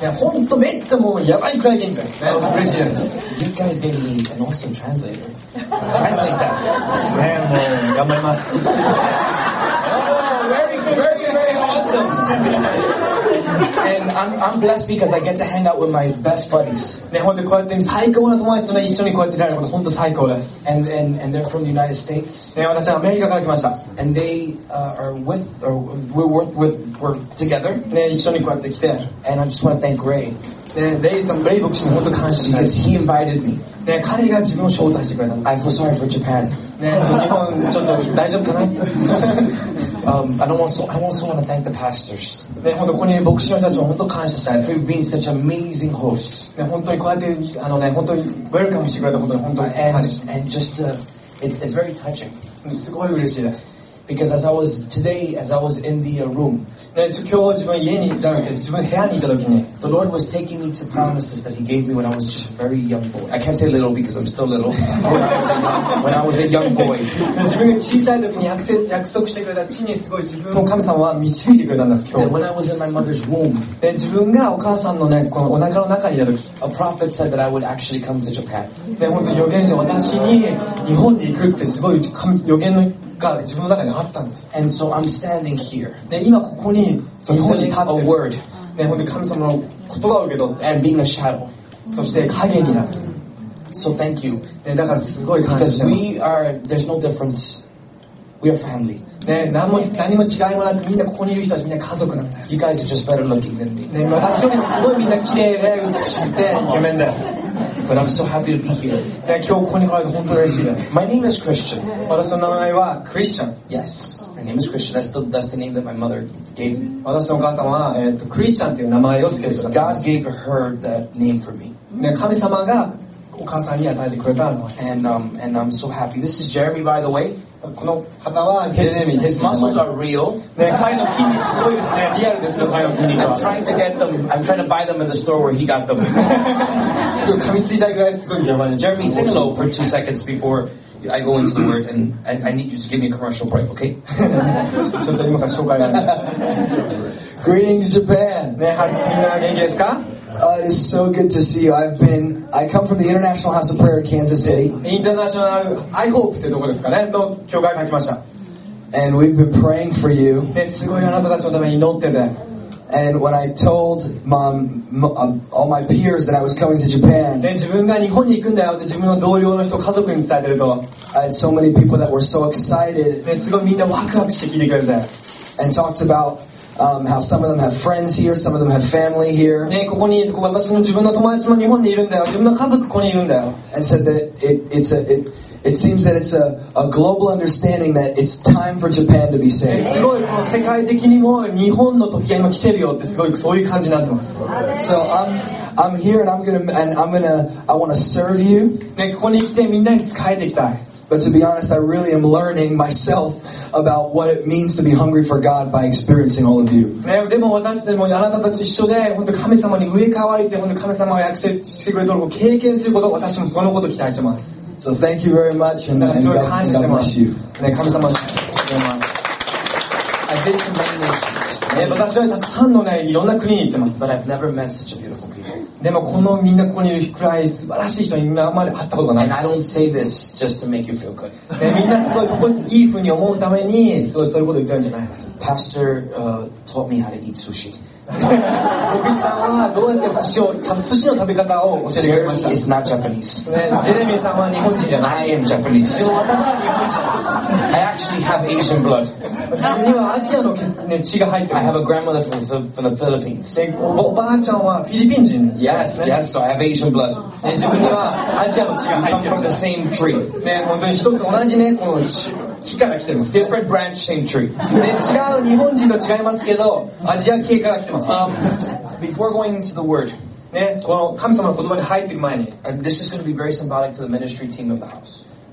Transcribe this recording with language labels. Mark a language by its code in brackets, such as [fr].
[en] Yeah, [ja] めっちゃもうやばいくらい元気ですね。嬉しいです。 [en] You guys gave me an awesome translator. Translator. [ja] ね、もう頑張ります。 [en] Oh, very, very, very awesome. And I'm blessed because I get to hang out with my best buddies. [ja] ね、本当こうやって最高の友達と、ね、一緒にこうやっていられること本当最高です。 [en] And they're from the United States. [ja] ね、私はアメリカから来ました。 [en] And they are with or we're worth with. We're together. [ja] ね、一緒にこうやって来て。 [en] And I just want to thank Ray. [ja] ね、Ray さん、Ray 牧師に本当感謝した [en] い。Because he invited me. [ja] ね、彼が自分を招待してくれたんです。 [en] I feel sorry for Japan. [ja] ね、日本ちょっと大丈夫かな？ [en] I also want to thank the pastors. [ja] ね、本当ここに牧師の人たちも本当感謝したい。 [en] For being such amazing hosts. [ja] ね、本当にこうやってあのね、本当にウェルカムしてくれた本当に本当に感謝します。 [en] And just it's very touching. [ja] すごい嬉しいです。 [en] Because as I was in the room. The Lord was taking me to promises that He gave me when I was just a very young boy. I can't say little because I'm still little. When I was a young boy. [ja] 自分が小さい時に約束してくれた地にすごい自分を神様は導いてくれたんです。今日。 [en] When I was in my mother's womb. [ja] 自分がお母さんのね、このお腹の中にいた時。 [en] A prophet said that I would actually come to Japan. [ja] 本当に預言者は私に日本に行くってすごい預言の。が自分の中にあったんです。 [en] And so I'm standing here. [ja] ね、今ここに日本に立ってる。 [en] A word. [ja] ね、本当に神様の言葉を受け取って。 [en] And being a shadow. [ja] そして影になる。 [en] So thank you. [ja] ね、だからすごい感謝してます。 [en] Because we are, there's no difference. We are family. [ja] ね、何も違いもなく、みんなここにいる人はみんな家族なんだよ。 [en] You guys are just better looking than me. [ja] ね、私よりもすごいみんな綺麗で美しくてイケメンです。 [en] But I'm so happy to be here. [ja] 今日ここに来られて本当に嬉しいです。 [en] My name is Christian. [ja] 私の名前は Christian. [en] Yes. My name is Christian. That's the name that my mother gave me. [ja] 私のお母さんは、Christian という名前を付けました。 [en] God gave her that name for me. [ja] 神様がお母さんに与えてくれたの。 [en] And I'm so happy. This is Jeremy, by the way. [ja] この方は [en] His muscles are real. [ja] ね、彼の筋肉すごいですね。リアルですよ、彼の筋肉は。 [en] I'm trying to get them. I'm trying to buy them in the store where he got them. [ja] すごい噛みついたぐらいすごい。やばい。 [en] Jeremy, sing hello for 2 seconds before I go into the word, and I need you to give me a commercial break, okay? [ja] ちょっと今から紹介をします。 [en] Greetings, Japan. [ja] ね、みんな元気ですか？ [en] It is so good to see you. I come from the International House of Prayer in Kansas City. [ja] International I Hope ってどこですかね？の教会に来ました。 [en] And we've been praying for you. [ja] ね、すごいあなたたちのために祈ってて。 [en] And when I told mom, all my peers that I was coming to Japan, [ja] 自分が日本に行くんだよって自分の同僚の人家族に伝えてると、 [en] I had so many people that were so excited. [ja] ね、すごいみんなワクワクして聞いてくれて。 [en] And talked about. How some of them have friends here, some of them have family here. [ja] ね、ここに、ここ私の自分の友達も日本にいるんだよ。自分の家族ここにいるんだよ。 [en] And said that it seems that it's a global understanding that it's time for Japan to be saved. [ja] すごい、この世界的にも日本の時が今来てるよってすごいそういう感じになってます。 [en] So I'm here and I'm gonna I want to serve you. [ja] ね、ここに来てみんなに仕えていきたい。 [en] But to be honest, I really am learning myself about what it means to be hungry for God by experiencing all of you. [ja] でも私でもあなたたち一緒で、本当神様に植え替わりて、本当神様が約束してくれたことを経験すること、私もそのこと期待してます。 [en] So thank you very much, and God bless you. [ja] ね、神様、しっかりします。 [en] I've been to many nations. [ja] 私はたくさんのね、いろんな国に行ってます。 [en] But I've never met such a beautiful people. [ja] でもこのみんなここにいるくらい素晴らしい人にあんまり会ったことがない。 [en] And I don't say this just to make you feel good. [ja] でみんなすごい心地いいふうに思うためにすごいそういうこと言ってるんじゃないです。 [en] Pastor taught me how to eat sushi. [ja] 牧師さんはどうやって寿司の食べ方を教えてくれました。 [en] It's not Japanese. [ja] ジェレミーさんは日本人じゃない。 [en] I am Japanese. [ja] でも私は日本人です。 [en] I actually have Asian blood. [ja] 自分にはアジアの血が入ってます。 [en] I have a grandmother from the Philippines. [ja] おばあちゃんはフィリピン人。 [en] Yes, yes, so I have Asian blood. [ja] 自分にはアジアの血が入ってます。 [en] Come from the same tree. [ja] 本当に一つ同じね、この木から来てます。 [en] Different branch, same tree. [ja] 違う、日本人と違いますけど、アジア系から来てます。 [en] Before going into the word, [ja] この神様の言葉に入っていく前に、 [en] this is going to be very symbolic to the ministry team of the house.